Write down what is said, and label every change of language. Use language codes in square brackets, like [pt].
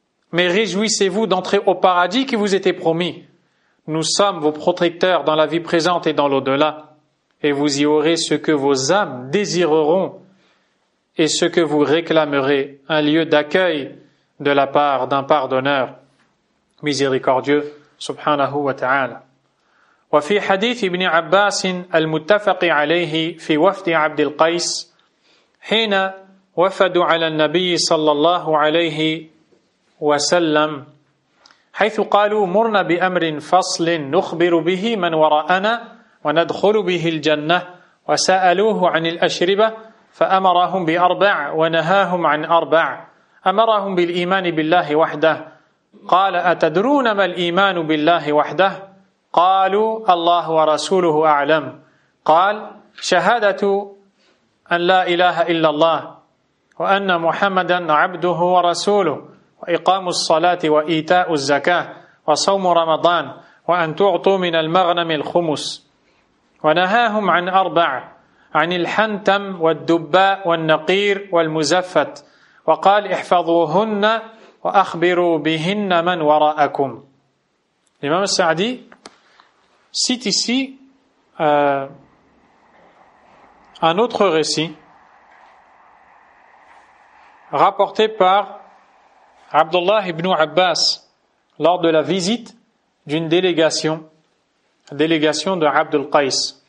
[fr] Mais réjouissez-vous d'entrer au paradis qui vous était promis. Nous sommes vos protecteurs dans la vie présente et dans l'au-delà. Et vous y aurez ce que vos âmes désireront et ce que vous réclamerez, un lieu d'accueil de la part d'un pardonneur miséricordieux, [ar] subhanahu wa ta'ala. Wa fi hadith ibn Abbas al-muttafaq alayhi fi wafd Abd al-Qais hina wafadu ala al-Nabi sallallahu alayhi وسلم حيث قالوا مرنا بأمر فصل نخبر به من وراءنا وندخل به الجنة وسألوه عن الأشربة فأمرهم بأربع ونهاهم عن أربع أمرهم بالإيمان بالله وحده قال أتدرون ما الإيمان بالله وحده قالوا الله ورسوله أعلم قال شهادة أن لا إله إلا الله وأن محمدا عبده ورسوله وإقام الصلاة وإيتاء الزكاة وصوم رمضان وأن تعطوا من المغنم الخمس ونهاهم عن أربع عن الحنتم والدباء والنقير والمزفت وقال احفظوهن وأخبروا بهن من وراءكم. [fr] الإمام السعدي cite ici un autre récit rapporté par Abdullah ibn Abbas, lors de la visite d'une délégation de Abd al-Qais.